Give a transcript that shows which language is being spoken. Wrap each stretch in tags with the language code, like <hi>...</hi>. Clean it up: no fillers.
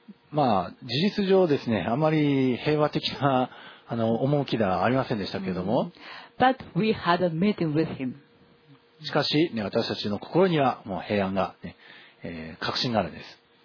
<ja>まあ、事実上ですね、あまり平和的な趣ではありませんでしたけれども、</ja> <en>But we had a meeting with him.</en> <ja>しかし、ね、私たちの心にはもう平安が、ね、確信があるんです。</ja>